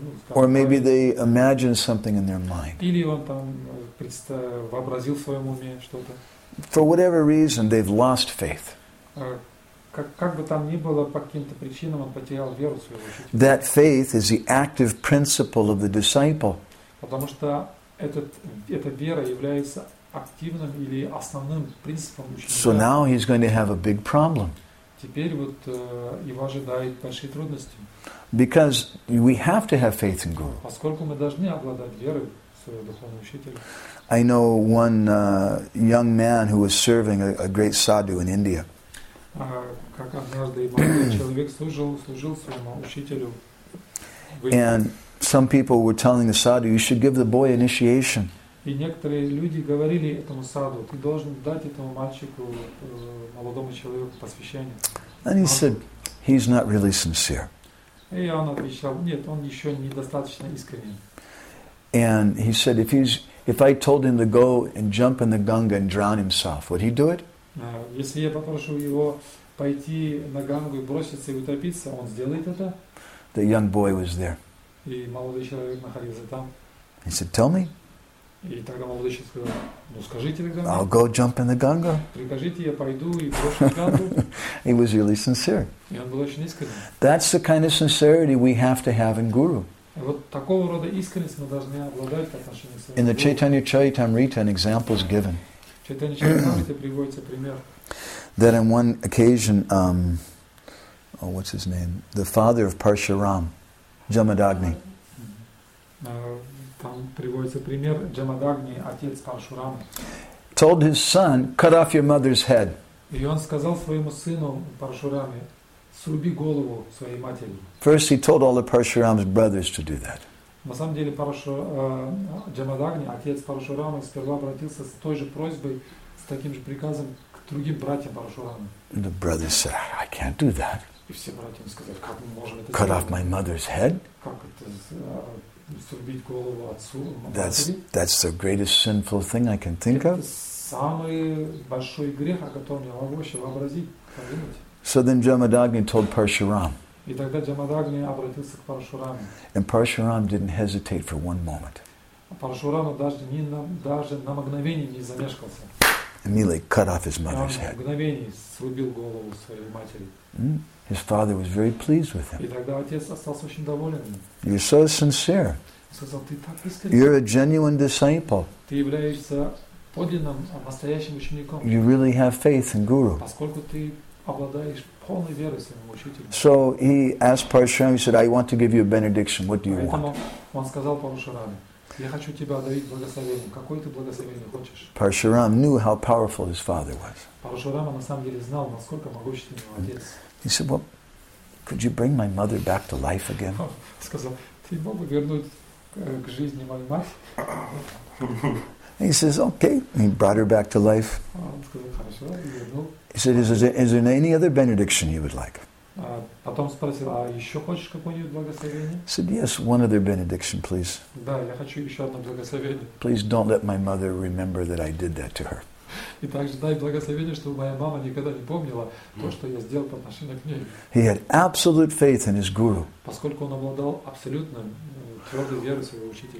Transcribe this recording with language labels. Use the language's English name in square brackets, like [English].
[English] Or maybe they imagine something in their mind. [Russian] Или он там вообразил в своем уме что-то. [English] For whatever reason, they've lost faith. [Russian] Как бы там ни было, по каким-то причинам он потерял веру в своего учителя. [English] That faith is the active principle of the disciple. [Russian] Потому что эта вера является активным или основным принципом ученика. [English] So now he's going to have a big problem. [Russian] Теперь вот его ожидают большие трудности. [English] Because we have to have faith in Guru. [Russian] Поскольку мы должны обладать верой в своего духовного учителя. [English] I know one young man who was serving a great sadhu in India. [Russian] Как однажды человек служил своему учителю. [English] And some people were telling the sadhu, "You should give the boy initiation." [Russian] И некоторые люди говорили этому садху, "Ты должен дать этому мальчику, молодому человеку, посвящение." [English] And he said, "He's not really sincere." [Russian] И он отвечал, нет, он еще недостаточно искренен. [English] And he said, if I told him to go and jump in the Ganga and drown himself, would he do it? [Russian] Если я попрошу его пойти на Гангу и броситься и утопиться, он сделает это? [English] The young boy was there. [Russian] И молодой человек находился там. [English] He said, tell me. [Russian] И тогда молодой человек сказал, ну скажите мне. [English] I'll go jump in the Ganga. [Russian] Прикажите, я пойду и брошу Гангу. [English] He was really sincere. [Russian] И он был очень искренен. [English] That's the kind of sincerity we have to have in Guru. [Russian] И вот такого рода искренность мы должны обладать в отношении своего [English] In the Chaitanya Charitamrita, an example is given. [Russian] Chaitanya Charitamrita приводится пример. [English] That on one occasion, what's his name? The father of Parshuram, Jamadagni. [Russian] Там приводится пример Джамадагни, отец Паршурама. [English] Told his son, cut off your mother's head. [Russian] И он сказал своему сыну Паршураме, сруби голову своей матери. [English] First he told all of Parshuram's brothers to do that. [Russian] На самом деле Джамадагни, отец Паршурама, сперва обратился с той же просьбой, с таким же приказом к другим братьям Паршурамы. [English] The brothers said, I can't do that. [Russian] И все братья ему сказали, как мы можем это [English] cut [Russian] сделать? [English] Cut off my mother's head? [Russian] Как это срубить голову отцу, [English] that's the greatest sinful thing I can think of. [Russian] Самый большой грех, о котором я вообще вообразить, подумать. [English] So then Jamadagni told Parshuram. [Russian] И тогда Джамадагни обратился к Паршураме. [English] And Parshuram didn't hesitate for one moment. [Russian] Паршурама даже на мгновение не замешкался. [English] Immediately cut off his mother's head. [Russian] На мгновение срубил голову своей матери. [English] His father was very pleased with him. [Russian] И тогда отец остался очень доволен. [English] You're so sincere. [Russian] Сказал, ты так искренен. [English] You're a genuine disciple. [Russian] Ты являешься подлинным, настоящим учеником. [English] You really have faith in Guru. [Russian] Поскольку ты обладаешь полной верой своему учителю. [English] So he asked Parshuram, he said, I want to give you a benediction. What do you [Russian] Поэтому [English] want? [Russian] Он сказал Парашураме, Я хочу тебя одарить благословением. Какой ты благословение хочешь? [English] Parshuram knew how powerful his father was. [Russian] Parshurama на самом деле знал, насколько могущественный его отец. [English] He said, "Well, could you bring my mother back to life again?" [Russian] Сказал, ты мог бы вернуть к жизни мою мать? [English] He says, "Okay." He brought her back to life. He said, is there any other benediction you would like?" [Russian] Потом спросил, а еще хочешь какое-нибудь благословение? [English] He said, "Yes, one other benediction, please." [Russian] Да, я хочу еще одно благословение. [English] Please don't let my mother remember that I did that to her. [Russian] И также дай благословение, чтобы моя мама никогда не помнила то, что я сделал по отношению к ней. [English] He had absolute faith in his guru. [Russian] Поскольку он обладал абсолютно твердой верой своего учителя.